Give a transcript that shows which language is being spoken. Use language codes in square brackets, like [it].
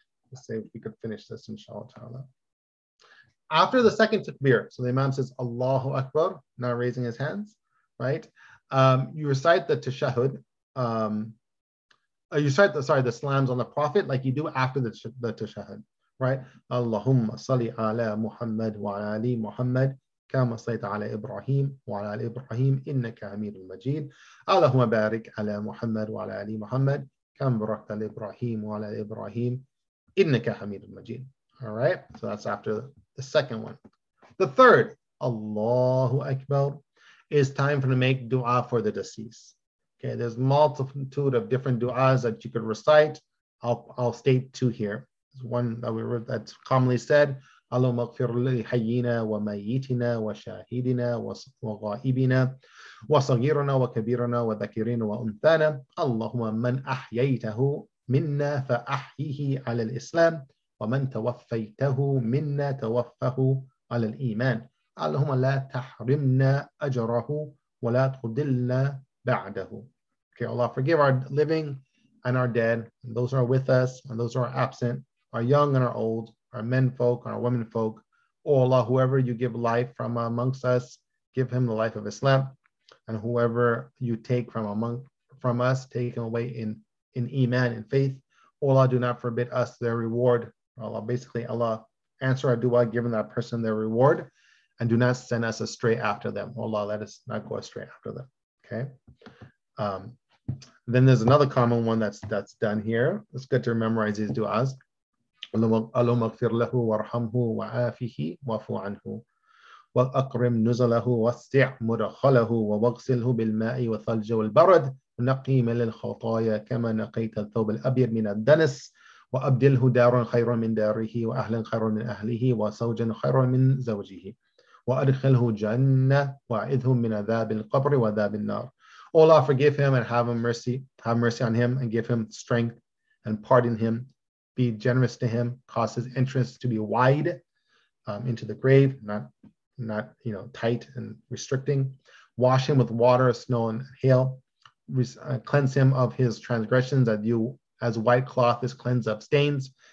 [en] Let's say we could finish this, inshallah ta'ala. After the second takbir, so the Imam says, Allahu Akbar, not raising his hands, right? You recite the tashahud, the salams on the Prophet, like you do after the tashahud, right? [ar] Allahumma salli ala Muhammad wa ali Muhammad. كما صليت على إبراهيم وعلى آل إبراهيم إنك حميد مجيد اللهم بارك على محمد وعلى آل محمد كما باركت على إبراهيم وعلى آل إبراهيم إنك حميد مجيد. [en] All right, so that's after the second one. The third, Allahu Akbar, is time for to make dua for the deceased. Okay, there's multitude of different duas that you could recite. I'll state two here. There's one that's commonly said. [ar] اللهم اغفر لحيينا وميتنا وشاهدنا وغائبنا وصغيرنا وكبيرنا وذكرنا وأنثانا اللهم من أحييته منا فأحيه على الإسلام ومن توفيته منا توفه على الإيمان اللهم لا تحرمنا أجره ولا تضلنا بعده. [en] Okay, Allah, forgive our living and our dead, and those who are with us and those who are absent, our young and our old, our men folk, our women folk. O Allah, whoever you give life from amongst us, give him the life of Islam. And whoever you take from us, take him away in iman, in faith. O Allah, do not forbid us their reward. Allah, basically Allah, answer our dua, giving that person their reward, and do not send us astray after them. O Allah, let us not go astray after them, okay? Then there's another common one that's done here. It's good to memorize these duas. [ar] اللهم اغفر له وارحمه وعافه واعف عنه واقرم نزله واستع مدخله واغسله بالماء والثلج والبرد نقي من الخطايا كما نقيت الثوب الأبيض من الدنس وأبدله دارا خيرا من داره وأهلا خيرا من أهله وزوجا خيرا من زوجه وأدخله جنة وأعذه من عذاب القبر وعذاب النار. [en] O Allah, forgive him and have mercy on him and give him strength and pardon him. Be generous to him, cause his entrance to be wide into the grave, not you know, tight and restricting. Wash him with water, snow, and hail. Cleanse him of his transgressions that you, as white cloth is cleansed of stains.